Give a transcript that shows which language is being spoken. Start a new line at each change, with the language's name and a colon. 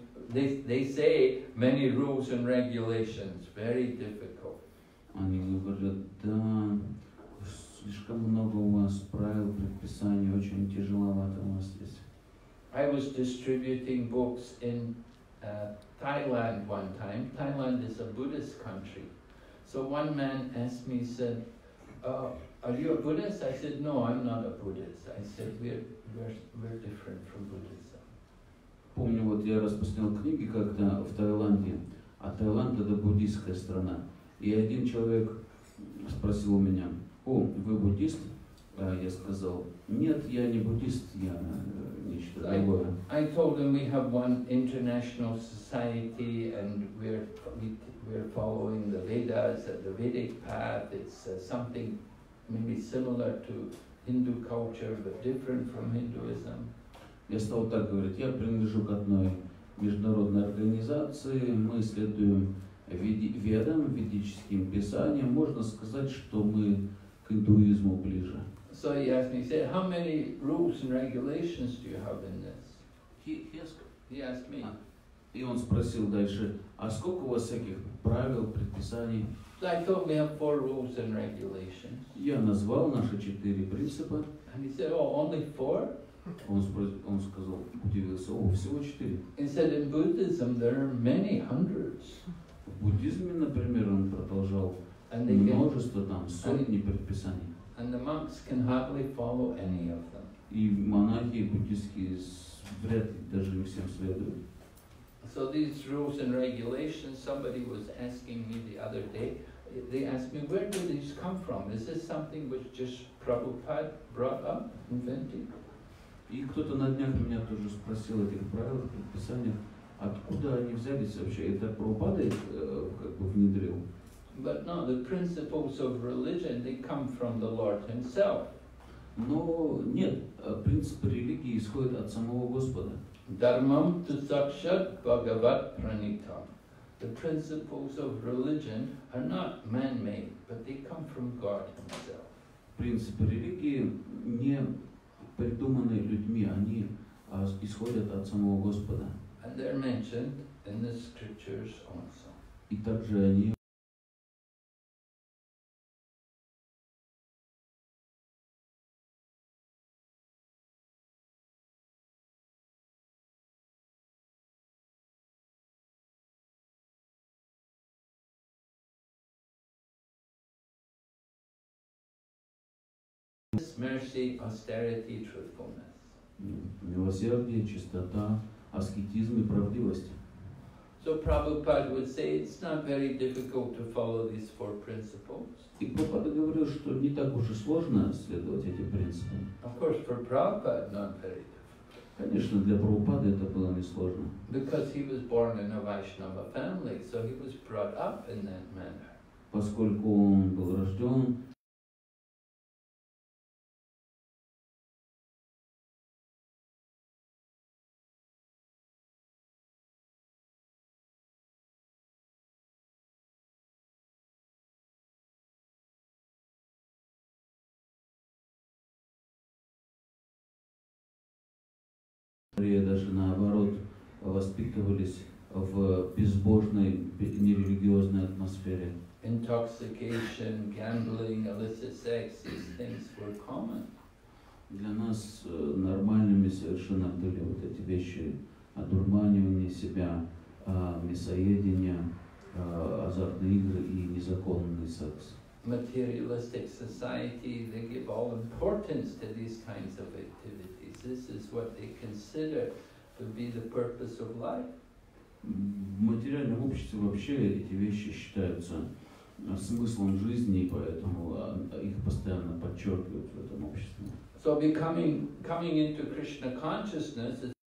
English: They say many rules and regulations, very difficult.
Russian: Они говорят, да. Слишком много у вас правил, предписаний, очень тяжеловато у вас здесь.
English: I was distributing books in Thailand one time. Thailand is a Buddhist country. So one man asked me, said, are you a Buddhist? I said, no, I'm not a Buddhist. I said, we're different from Buddhism.
Russian: Помню, вот я распространял книги как-то в Таиланде, а Таиланд это буддийская страна. И один человек спросил у меня, о, вы буддист? Я сказал, нет, я не буддист, я нечто другое.
English: I told him we have one international society and we're following the Vedas, the Vedic path. It's something maybe similar to Hindu culture, but different from Hinduism.
Russian: Я стал так говорить, я принадлежу к одной международной организации, мы следуем ведам, ведическим писаниям. Можно сказать, что мы к индуизму ближе.
English: So he asked me, he said, how many rules and regulations do you have in this? He asked me. А,
Russian: и он спросил дальше, а сколько у вас всяких правил, предписаний?
English: So I told him we have 4 rules and regulations.
Russian: Я назвал наши 4 принципа.
English: And he said, oh, only 4?
Russian: Он сказал, удивился, о, всего 4.
English: He said, in Buddhism there are many hundreds.
Russian: В буддизме, например, он продолжал, множество там, сотни предписаний.
English: And the monks can hardly follow any of them.
Russian: И монахи буддийские вряд ли даже не всем следуют.
English: So these rules and regulations, somebody was asking me the other day, they asked me, where do these come from? Is this something which just Prabhupada brought up, invented?
Russian: И кто-то на днях меня тоже спросил этих правил, предписаний, откуда они взялись вообще? Это Прабхупада их как бы внедрил?
English: But no, the principles of religion, they come from the Lord himself.
Russian: Но нет, принципы религии исходят от самого Господа.
Sanskrit: Dharmam tusakshat bhagavat pranitam.
English: The principles of religion are not man-made, but they come from God himself.
Russian: Принципы религии не придуманы людьми, они исходят от самого Господа.
English: And they're mentioned in the scriptures also.
Russian: И также они
English: mercy, austerity, truthfulness.
Russian: Милосердие, чистота, аскетизм и правдивость.
English: So Prabhupada would say it's not very difficult to follow these four principles.
Russian: И Прабхупада говорил, что не так уж и сложно следовать этим принципам.
English: Of course, for Prabhupada, not very difficult.
Russian: Конечно, для Прабхупады это было несложно.
English: Because he was born in a Vaishnava family, so he was brought up in that manner.
Russian: Поскольку он был рожден даже наоборот воспитывались в безбожной, нерелигиозной атмосфере.
English: Intoxication, gambling, illicit sex, these things were common.
Russian: Для нас нормальными совершенно были вот эти вещи: одурманивание себя, мясоедение, азартные игры и незаконный секс.
English: Materialistic society, they give all importance to these kinds of activities. This is what they consider to be the purpose of life.
Russian: В материальном обществе вообще эти вещи считаются смыслом жизни, поэтому их постоянно подчеркивают в этом обществе.
English: So becoming into Krishna consciousness is